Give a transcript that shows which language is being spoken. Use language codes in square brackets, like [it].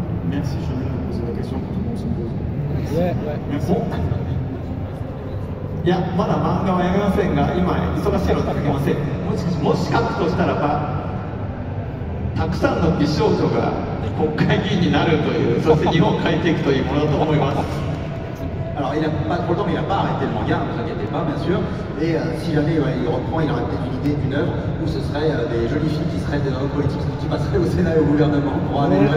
[fr] Merci, je vais poser la question que tout le monde se pose. Merci. Bon. [ja] いや、まだ漫画はやめませんが、今忙しいのでできません。もし書くとしたらば、たくさんの美少女が国会議員になるという、そして日本を変えていくというものだと思います。 [fr] Alors, pour le temps, il n'a pas arrêté le manga, ne vous inquiétez pas, bien sûr. Et si jamais ouais, il reprend, il aurait peut-être une idée d'une œuvre où ce serait des jolies filles qui seraient des hommes politiques, qui passeraient au Sénat et au gouvernement pour aller loin.